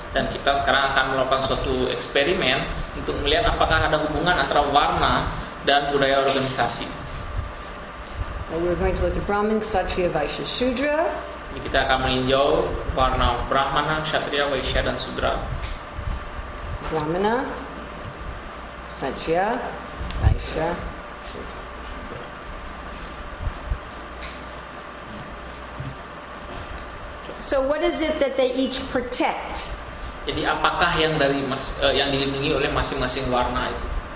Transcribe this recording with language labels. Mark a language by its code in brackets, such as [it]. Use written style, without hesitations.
[id] Dan kita sekarang akan melakukan suatu eksperimen untuk melihat apakah ada hubungan antara warna dan budaya organisasi. [en] We're going to look at Brahmin, Kshatriya, Vaishya, Shudra. [id] Kita akan meninjau warna Brahmana, Kshatriya, Vaishya, dan Shudra. Brahmana, Kshatriya, Vaishya, Shudra. [en] So what is it that they each protect? [id] Jadi apakah yang dari yang dilindungi oleh masing-masing warna itu?